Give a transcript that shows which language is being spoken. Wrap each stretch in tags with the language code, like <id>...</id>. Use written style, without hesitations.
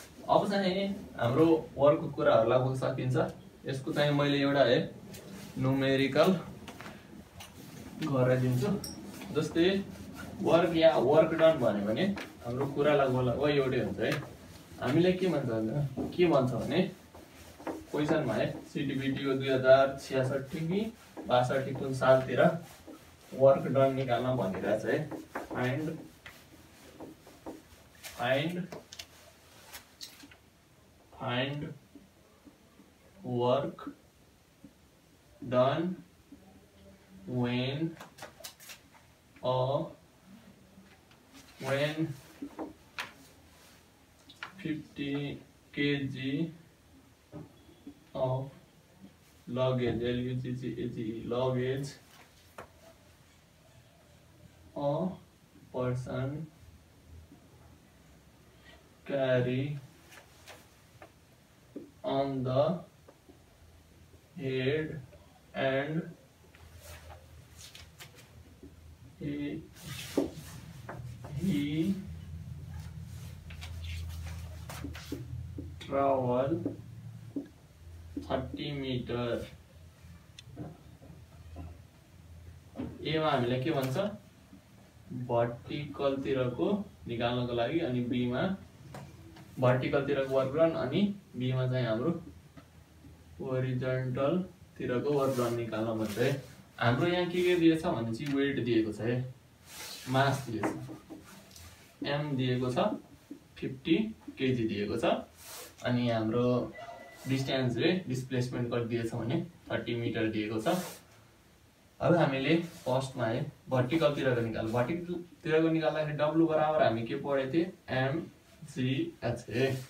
<ne>अब चाहिँ हाम्रो वर्कको कुराहरूलाई बुझ्न सकिन्छ यसको चाहिँ मैले एउटा है न्युमेरिकल गराइदिन्छु जस्तै वर्क या वर्क डन भन्यो भने हाम्रो कुरालाई बोला ओ एउटै हुन्छ है हामीलाई के भन्छ के भन्छ भने क्वेसनमा है सिटिभिटीको 2066 कि 62 कुन सालतिर</ne> <en>work done</en> <ne>nikalna bhanira chha hai</ne> <en>and find find work done when when 50 kg of luggage luggage a person carry on the head and he travel 30 meters.</en> <ne>ए मा हामीले के भन्छ vertical तिरको निकाल्नको लागि अनि b मा vertical तिरको work done अनि b मा चाहिँ हाम्रो horizontal तिरको work done निकाल्न भन्छ है हाम्रो यहाँ के दिएको छ भने चाहिँ weight दिएको छ है mass दिएको छ m दिएको छ 50 kg दिएको छ अनि हाम्रो distance रे displacement कति दिएको छ भने 30 meter दिएको छ अब हामीले फर्स्ट मा है vertical तिरको निकाल vertical तिरको निकाल्दा खेरि w बराबर हामी के पढे थे m g h a</ne>